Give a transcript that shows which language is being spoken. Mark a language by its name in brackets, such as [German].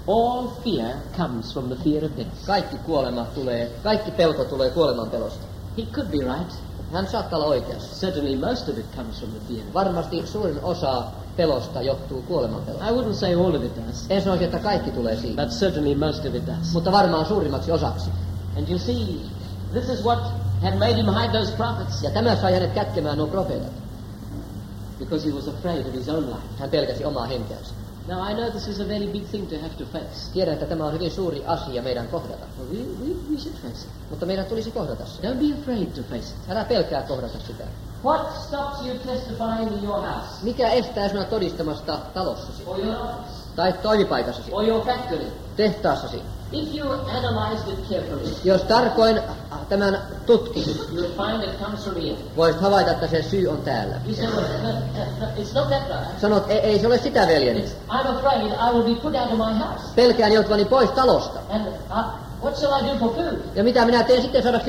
[English] All fear comes from the fear of death. [Finnish] Kaikki pelko tulee kuoleman pelosta. [English] He could be right. [Finnish] Hän saattaa olla oikeassa. [English] Certainly most of it comes from the fear of death. [Finnish] Varmasti suurin osa pelosta johtuu kuoleman pelosta. [English] I wouldn't say all of it does. [Finnish] En sanoisi, että kaikki tulee siitä. [English] But certainly most of it does. [Finnish] Mutta varmaan suurimmaksi osaksi. [English] And you see, this is what had made him hide those prophets. [Finnish] Ja tämä sai hänet kätkemään nuo profeetat. [English] Because he was afraid of his own life. [Finnish] Hän pelkäsi omaa henkeänsä. [English] Now I know this is a very big thing to have to face. [Finnish] Tiedän, että tämä on hyvin suuri asia meidän kohdata. [English] We should face it. [Finnish] Mutta meidän tulisi kohdata se. [English] Don't be afraid to face it. [Finnish] Älä pelkää kohdata sitä. [English] What stops you testifying in your house? [Finnish] Mikä estää sinua todistamasta talossasi? [English] Or your office? [Finnish] Tai toimipaikassasi? [English] Or your factory? [Finnish] Tehtaassasi? [English] If you analyzed it carefully, [Finnish] jos tarkoin tämän tutkisi, [English] you'll find it comes from here. [Finnish] Voisit havaita, että se syy on täällä. [English] You say, well, it's not that bad. [Finnish] Sanot, ei se ole sitä, veljeni. [English] I'm afraid I will be put out of my house. [Finnish] Pelkään joutuvani pois talosta. [English] And what shall I do for food? [Finnish] Ja mitä minä teen sitten saadakseni